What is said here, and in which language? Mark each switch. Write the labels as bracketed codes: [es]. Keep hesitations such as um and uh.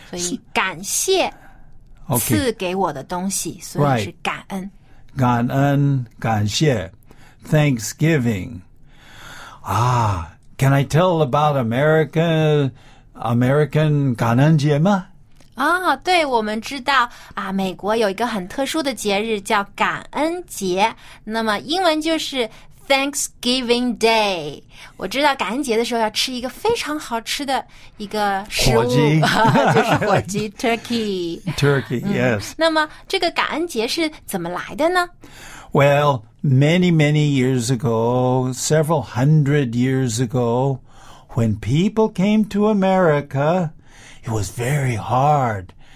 [zh] 所以,所以感谢赐给我的东西,所以是感恩。感恩,感谢。 [en] Right. Okay. Thanksgiving. Ah, can I tell about America, American 感恩节吗？ [zh] 啊、哦，对，我们知道啊，美国有一个很特殊的节日叫感恩节，那么英文就是 Thanksgiving Day。我知道感恩节的时候要吃一个非常好吃的一个食物，火鸡，就是火鸡 [en] ，Turkey，Turkey，Yes、嗯。 [zh] 那么这个感恩节是怎么来的呢？ [en] well, many, many years ago, several hundred years ago, when people came to America, it was very hard.